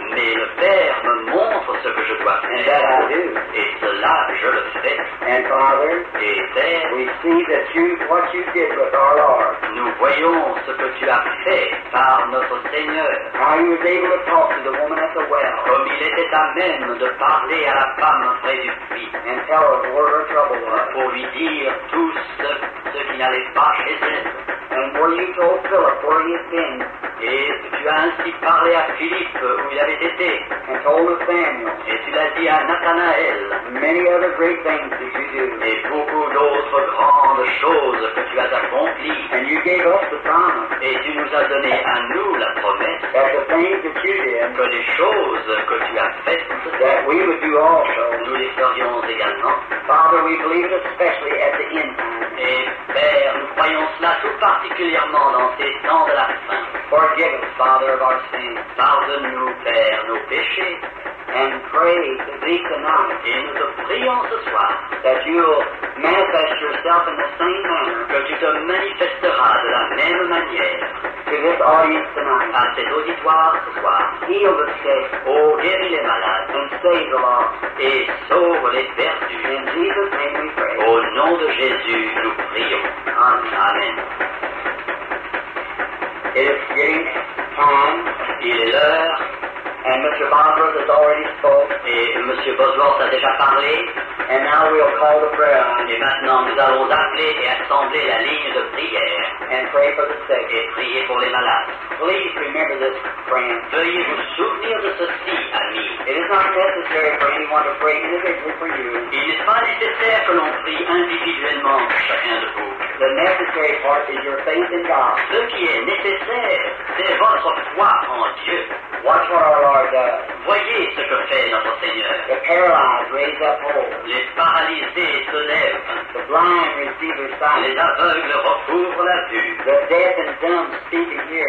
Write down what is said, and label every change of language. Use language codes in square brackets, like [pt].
[fr] Mais le Père me montre ce que je dois faire. [en] And that I do. [fr] Et cela, je le fais. [en] And Father, [fr] et Père, [en] we see that you, what you did with our Lord. [fr] Nous voyons ce que tu as fait par notre Seigneur. [en] How he was able to talk to the woman at the well. [fr] Comme il était à même de parler à la femme près du puits. [en] And tell her what her trouble was. [fr] Pour lui dire tout ce qui n'allait pas. [en] And were you told Philip where he had been? [fr] Et tu as ainsi parlé à Philippe où il avait été. [en] And told Nathanael. [fr] Et tu l'as dit à Nathanael. [en] Many other great things that you do. [fr] Et beaucoup d'autres grandes choses que tu as accomplies. [en] And you gave us the promise. [fr] Et tu nous as donné à nous la promesse. [en] That the things that you did. [fr] Que les choses que tu as faites. [en] That we would do also. [fr] Nous les ferions également. [en] Father, we believe it especially at the end time. [fr] Père, nous croyons cela tout particulièrement dans ces temps de la fin. [en] Forgive us, Father, of our sins. [fr] Pardonne-nous, Père, nos péchés. [en] And pray to thee tonight. [fr] Et nous te prions ce soir. [en] That you will manifest yourself in the same manner. [fr] Que tu te manifesteras de la même manière. [en] To this audience tonight. [fr] À cet auditoire ce soir. [en] Heal the sick. [fr] Oh, guéris les malades. [en] And save the lost. [fr] Et sauve les perdus. [en] In Jesus' name we pray. [fr] Au nom de Jésus, nous prions. [en] Amen. [fr] Amen. [en] It is getting time. [fr] Il est l'heure. [en] And Mr. Bosworth has already spoke. [fr] Et Monsieur Bosworth a déjà parlé. [en] And now we'll call the prayer. [fr] Et maintenant nous allons appeler et assembler la ligne de prière. [en] And pray for the sick. [fr] Et prier pour les malades. [en] Please remember this, friend. [fr] Veuillez vous souvenir de ceci, ami. [en] It is not necessary for anyone to pray individually for you. [fr] Il n'est pas nécessaire que l'on prie individuellement pour chacun de vous. [en] The necessary part is your faith in God. [fr] Ce qui est nécessaire, c'est votre foi en Dieu. [en] Watch what our Lord does. [fr] Voyez ce que fait notre Seigneur. [en] The paralyzed raise up whole. [fr] Les paralysés se lèvent. [en] The blind receive their sight. [fr] Les aveugles recouvrent la vue. [en] The deaf and dumb speak and hear.